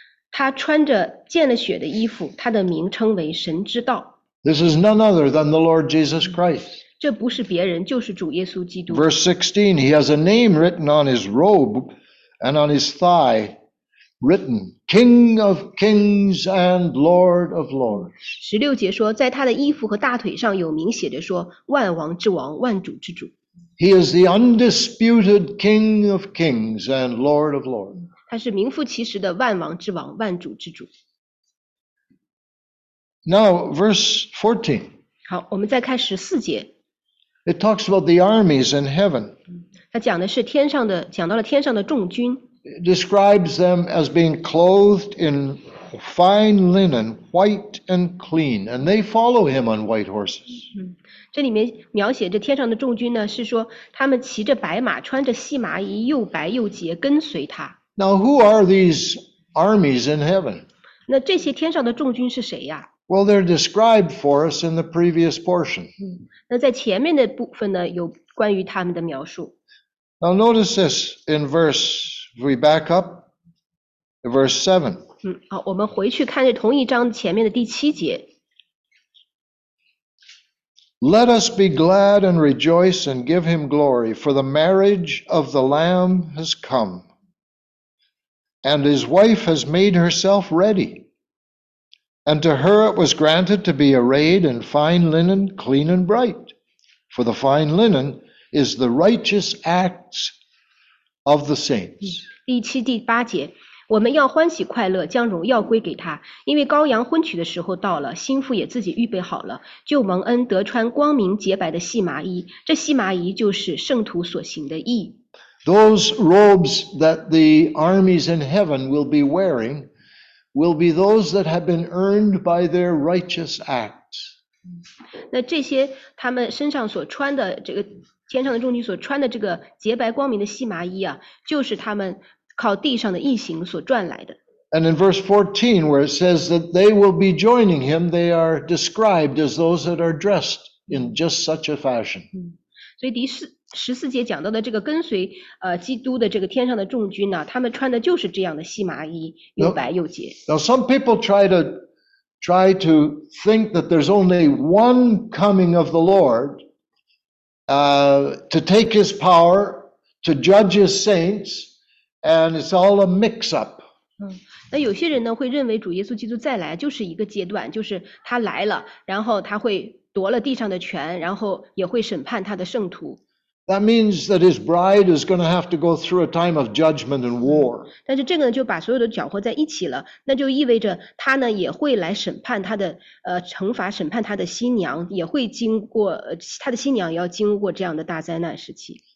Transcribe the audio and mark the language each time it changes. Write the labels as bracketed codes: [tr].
[zh] 他穿着见了血的衣服，他的名称为神之道。 [en] This is none other than the Lord Jesus Christ. [zh] 这不是别人，就是主耶稣基督。 [en] Verse 16, he has a name written on his robe. And on his thigh, written, King of Kings and Lord of Lords. [zh] 十六节说，在他的衣服和大腿上有名写着说，万王之王，万主之主。 [en] He is the undisputed King of Kings and Lord of Lords. [zh] 他是名副其实的万王之王，万主之主。 [en] Now, verse 14. [zh] 好，我们再看十四节。 [en] It talks about the armies in heaven. [zh] 他讲的是天上的，讲到了天上的众军。 [en] Describes them as being clothed in fine linen, white and clean, and they follow him on white horses. [zh] 这里面描写着天上的众军呢，是说他们骑着白马，穿着细麻衣，又白又洁，跟随他。 [en] Now, who are these armies in heaven? [zh] 那这些天上的众军是谁呀？ [en] Well, they're described for us in the previous portion. [zh] 那在前面的部分呢，有关于他们的描述。 [en] Now notice this in verse, we back up to verse 7. [zh] 好，我们回去看这同一章前面的第七节。 [en] Let us be glad and rejoice and give him glory, for the marriage of the Lamb has come, and his wife has made herself ready. And to her it was granted to be arrayed in fine linen, clean and bright, for the fine linen,is the righteous acts of the saints. [zh] 第七、第八节，我们要欢喜快乐，将荣耀归给他，因为羔羊婚娶的时候到了，新妇也自己预备好了，就蒙恩得穿光明洁白的细麻衣，这细麻衣就是圣徒所行的义。 [en] Those robes that the armies in heaven will be wearing will be those that have been earned by their righteous acts. [zh] 那这些他们身上所穿的这个天上的众军所穿的这个洁白光明的细麻衣啊，就是他们靠地上的义行所赚来的。 [en] And in verse 14, where it says that they will be joining him, they are described as those that are dressed in just such a fashion. [zh] 所以第十四节讲到的这个跟随基督的这个天上的众军呢、啊，他们穿的就是这样的细麻衣，又白又洁。 [en] Now some people try to think that there's only one coming of the Lord. To take his power, to judge his saints, and it's all a mix-up. [zh] 那有些人呢会认为主耶稣基督再来就是一个阶段，就是他来了，然后他会夺了地上的权，然后也会审判他的圣徒。 [en] That means that his bride is going to have to go through a time of judgment and war. [zh] 但是这个呢就把所有的搅和在一起了，那就意味着他呢也会来审判他的惩罚，审判他的新娘，也会经过他的新娘也要经过这样的大灾难时期。